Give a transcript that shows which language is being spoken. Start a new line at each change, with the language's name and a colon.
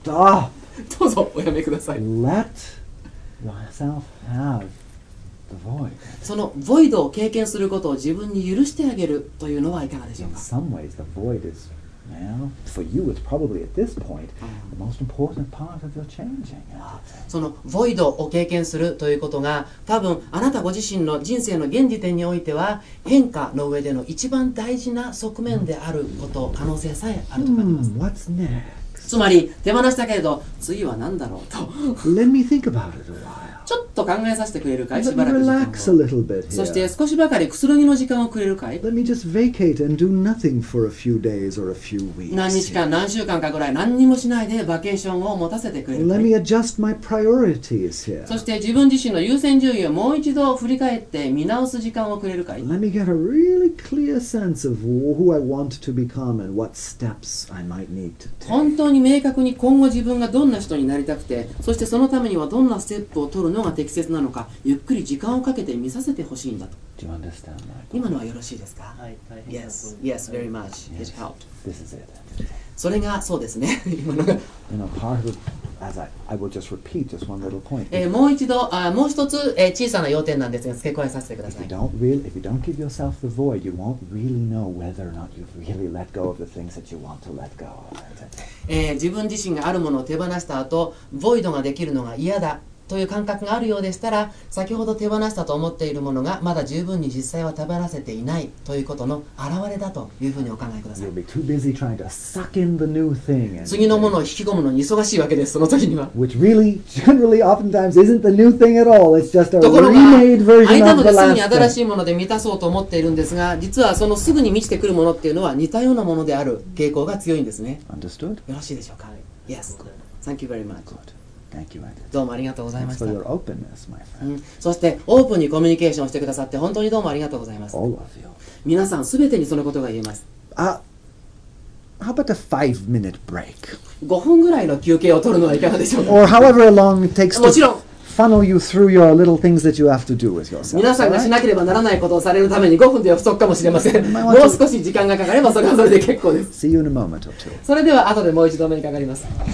English: Stop.
Japanese: どうぞおやめください。
English: Let yourself have the void.
Japanese: そのボイドを経験することを自分に許してあげるというのはいかがでしょうか。
English: In some ways, the void is now for you. It's probably at this point the most important part of your changing.
Japanese: そのボイドを経験するということが、多分あなたご自身の人生の現時点においては変化の上での一番大事な側面であること、可能性さえあると思います。
English: What's next?
Japanese: つまり手放したけれど、次は何だろうと。
English: Let me think about it a while.
Japanese: ちょっと考えさせてくれるかい、しばらく時間を。
English: Let me relax a little bit.
Japanese: そして少しばかりくつろぎの時間をくれるかい。
English: Let me just vacate and do nothing for a few days or a few weeks.
Japanese: 何日間、何週間かぐらい何にもしないでバケーションを持たせてくれるかい。
English: Let me adjust my priorities here.
Japanese: そして自分自身の優先順位をもう一度振り返って見直す時間をくれるかい。
English: Let me get a really clear sense of who I want to become and what steps I might need to take.
Japanese: 本当に明確に今後自分がどんな人になりたくて、そしてそのためにはどんなステップを取るのが適切なのか、ゆっくり時間をかけて見させてほしいんだと。
English: Do you understand my question?
Japanese: 今のはよろしいですか？はい、
English: Yes, yes, very much. Yes. It helped. This is it.
Japanese: それがそうですね。今のが。
English: You know, part of, as I will just repeat just one little point.
Japanese: もう一度、もう一つ、小さな要点なんですが、付け加えさせてください。
English: If you don't really, if you don't give yourself the void, you won't really know whether or not you've really let go of the things that you want to let go of.
Japanese: 自分自身があるものを手放した後、ボイドができるのが嫌だ。という感覚があるようでしたら、先ほど手放したと思っているものがまだ十分に実際は食べらせていないということの表れだというふうにお考えください。
English: You'll be too busy trying to suck in the new thing.
Japanese: 次のものを引き込むのに忙しいわけです。その時には。
English: Which really, generally, oftentimes isn't the new thing at all. It's just a remade version of the last thing.
Japanese: 相手のすぐに新しいもので満たそうと思っているんですが、実はそのすぐに満ちてくるものっていうのは似たようなものである傾向が強いんですね。
English: Understood?
Japanese: よろしいでしょうか。
English: Yes. Thank you very much. Thank you, Edith.
Japanese: どうもありがとうございました。
English: Thanks for your openness, my friend.
Japanese: そしてオープンにコミュニケーションしてくださって本当にどうもありがとうございます。
English: All of you.
Japanese: 皆さん全てにそのことが言えます。
English: How about a 5-minute break?
Japanese: 5分ぐらいの休憩を取るのはいかがでしょうか。
English: Or however long it takes to funnel you through your little things that you have to do with yourself.
Japanese: 皆さんがしなければならないことをされるために5分では不足かもしれません。もう少し時間がかかればそれはそれで結構です。
English: See you in a moment or two.
Japanese: それでは後でもう一度目にかかります。